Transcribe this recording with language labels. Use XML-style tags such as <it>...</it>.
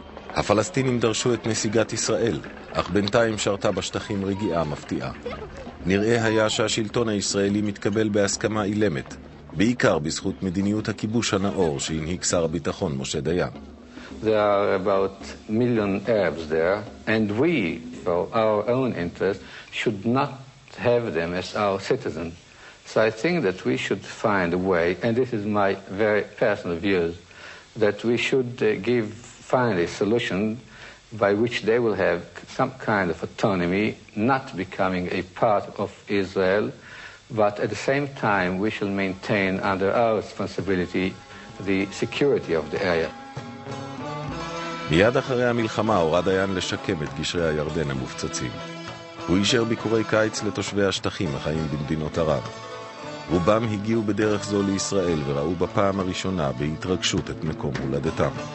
<he>הפלסטינים דרשו את נסיגת ישראל, אך בינתיים שרתה בשטחים רגיעה מפתיעה. נראה היה שהשלטון הישראלי מתקבל בהסכמה אילמת, בעיקר בזכות מדיניות הכיבוש הנאור שהנהיג שר הביטחון משה דיין.</he> <en>There are about million Arabs there, and we, for our own interest, should not have them as our citizens. So I think that we should find a way, and this is my very personal views, that we should give finally a solution by which they will have some kind of autonomy, not becoming a part of Israel, but at the same time we shall maintain under our responsibility the security of the area.</en> <he>מיד אחרי המלחמה הורד דיין לשקם את גשרי הירדן המופצצים. הוא אישר ביקורי קיץ לתושבי השטחים החיים במדינות ערב. רובם הגיעו בדרך זו לישראל וראו בפעם הראשונה בהתרגשות את מקום הולדתם.</he>